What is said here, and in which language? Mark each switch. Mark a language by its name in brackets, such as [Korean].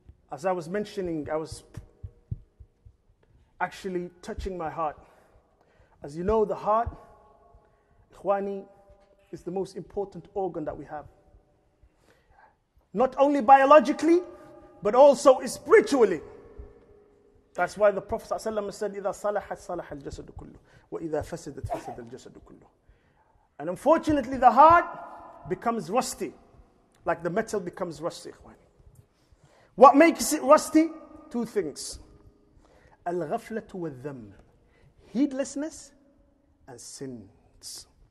[English] As I was mentioning, I was actually touching my heart. As you know, the heart, ikhwani, is the most important organ that we have. Not only biologically, but also spiritually. [Arabic] That's why the Prophet ﷺ said, إِذَا صَلَحَتْ صَلَحَ الْجَسَدُ كُلُّ وَإِذَا فَسَدَتْ فَسَدَ الْجَسَدُ كُلُّ. [English] And unfortunately, the heart becomes rusty, like the metal becomes rusty, ikhwani. What makes it rusty? Two things. Al-ghaflatu wa-dhamb, heedlessness and sins.